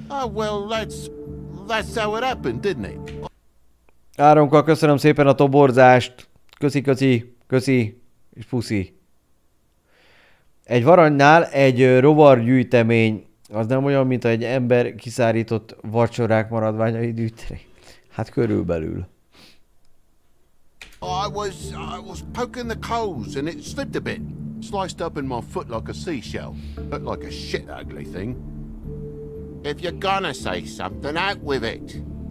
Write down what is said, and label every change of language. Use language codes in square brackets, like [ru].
[en] Oh, well, that's how it happened, didn't it? [hu] Áronka, köszönöm szépen a toborzást. Köszi, és puszi. Egy varangynál egy rovargyűjtemény. Az nem olyan, mint egy ember kiszárított vacsorák maradványai gyűjtemény. Hát körülbelül. [en] I was poking the coals and it slipped a bit. Sliced up in my foot like a seashell. Looked like a shit ugly thing. If you're gonna say something, out with it.